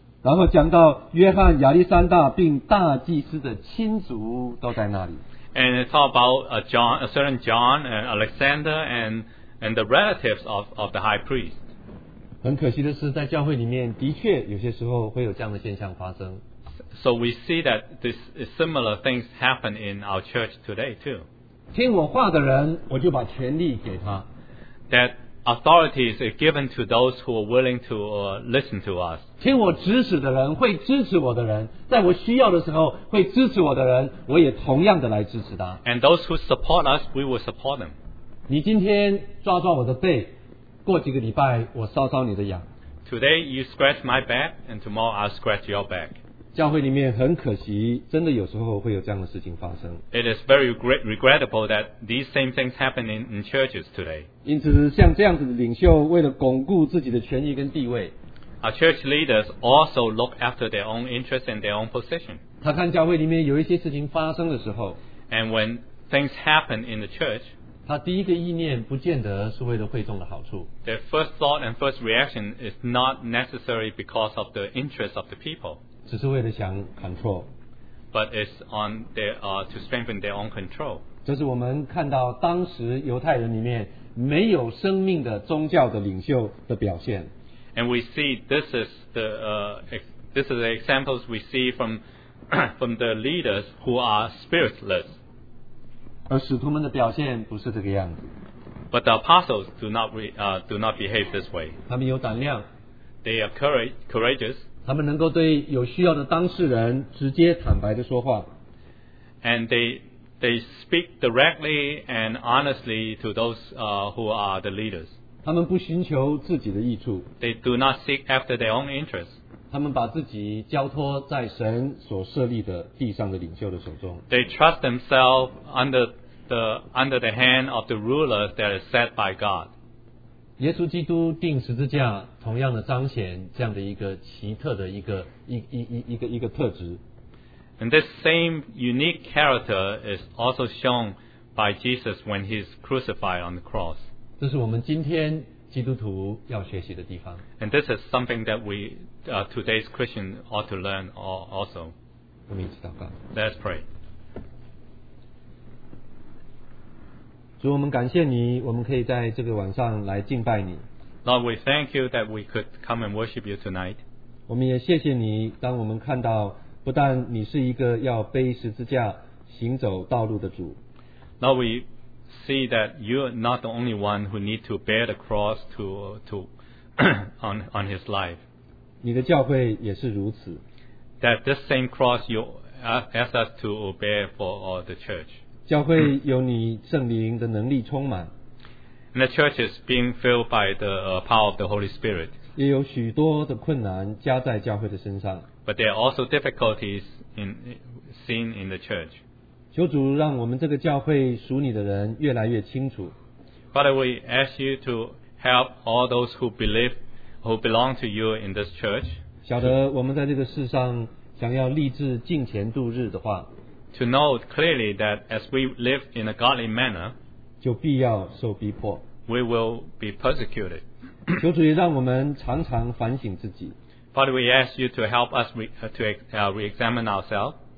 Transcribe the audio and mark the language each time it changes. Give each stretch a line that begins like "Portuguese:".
Chinese: 然后讲到约翰、亚历山大并大祭司的亲族都在那里。
English: And it's all about John and Alexander and the relatives of the high priest.
Chinese: 很可惜的是，在教会里面的确有些时候会有这样的现象发生。
English: So we see that this similar things happen in our church today too.
Chinese: 听我话的人，我就把权力给他。
English: That authority is given to those who are willing to listen to us.
Chinese: 听我指使的人会支持我的人，在我需要的时候会支持我的人，我也同样的来支持他。
English: And those who support us, we will support them.
Chinese: 你今天抓抓我的背，过几个礼拜我烧烧你的痒。
English: Today you scratch my back, and tomorrow I'll scratch your back.
Chinese: 教会里面很可惜，真的有时候会有这样的事情发生。
English: It is very regrettable that these same things happen in churches today.
Chinese: 因此，像这样子的领袖，为了巩固自己的权益跟地位。
English: Our church leaders also look after their own interests and their own position.
Chinese: 他看教会里面有一些事情发生的时候
English: ，and when things happen in the church，
Chinese: 他第一个意念不见得是为了会众的好处。
English: Their first thought and first reaction is not necessarily because of the interests of the people.
Chinese: 只是为了想 control，
English: but it's on their to strengthen their own control.
Chinese: 这是我们看到当时犹太人里面没有生命的宗教的领袖的表现。
English: And we see this is the examples we see from, from the leaders who are spiritless.
Chinese: 而使徒们的表现不是这个样子。
English: But the apostles do not behave this way.
Chinese: 他们有胆量。
English: They are courageous.
Chinese: 他们能够对有需要的当事人直接坦白的说话。
English: And they speak directly and honestly to those who are the leaders.
Chinese: 他们不寻求自己的益处。
English: They do not seek after their own interests.
Chinese: 他们把自己交托在神所设立的地上的领袖的手中。
English: They trust themselves under the hand of the rulers that are set by God.
Chinese: 耶稣基督钉十字架，同样的彰显这样的一个奇特的一个特质。
English: And this same unique character is also shown by Jesus when he is crucified on the cross.
Chinese: 这是我们今天基督徒要学习的地方。
English: And this is something that we, today's Christian ought to learn also.
Chinese: 我们一起祷告。
English: Let's pray.
Chinese: 主，我们感谢你，我们可以在这个晚上来敬拜你。
English: Lord, we thank you that we could come and worship you tonight.
Chinese: 我们也谢谢你，当我们看到不但你是一个要背十字架行走道路的主。
English: Lord, we see that you are not the only one who need to bear the cross to on his life.
Chinese: 你的教会也是如此。
English: That this same cross you ask us to bear for all the church.
Chinese: 教会有你圣灵的能力充满。
English: And the church is being filled by the power of the Holy Spirit.
Chinese: 也有许多的困难加在教会的身上。
English: But there are also difficulties seen in the church.
Chinese: 求主让我们这个教会属你的人越来越清楚。
English: Father, we ask you to help all those who believe, who belong to you in this church.
Chinese: 晓得我们在这个世上想要立志敬虔度日的话。
English: To know clearly that as we live in a godly manner,
Chinese: 就必要受逼迫。
English: We will be persecuted.
Chinese: 求主也让我们常常反省自己。
English: Father, we ask you to help us re-examine ourselves.